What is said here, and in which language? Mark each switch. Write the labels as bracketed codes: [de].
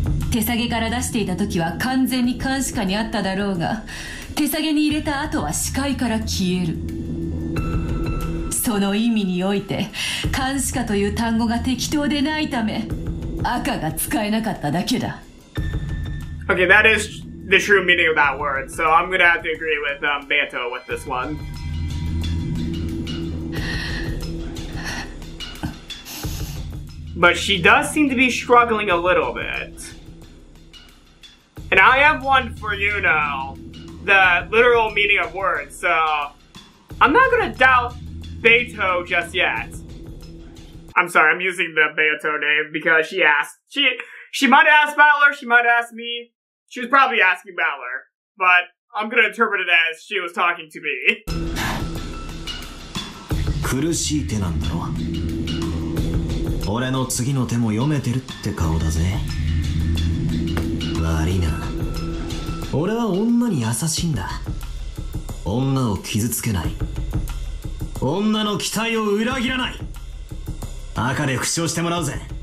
[ja] 手提げから出していた時は完全に監視下にあっただろうが、手提げに入れた後は視界から消える。その意味において監視下という単語が適当でないため、赤が使えなかっただけだ。 [en] Okay, that is the true meaning of that word. So I'm gonna have to agree with Beato with this one. But she does seem to be struggling a little bit. And I have one for you now. The literal meaning of words. So I'm not gonna doubtBeato just yet. I'm sorry, I'm using the Beato name because she asked. She might ask Balor, she might ask me. She was probably asking Balor, but I'm gonna interpret it as she was talking to me. [ja] 苦しい手なんだろ。俺の次の手も読めてるって顔だぜ。悪いな。俺は女に優しいんだ。女を傷つけない。女の期待を裏切らない。赤で復唱してもらうぜ。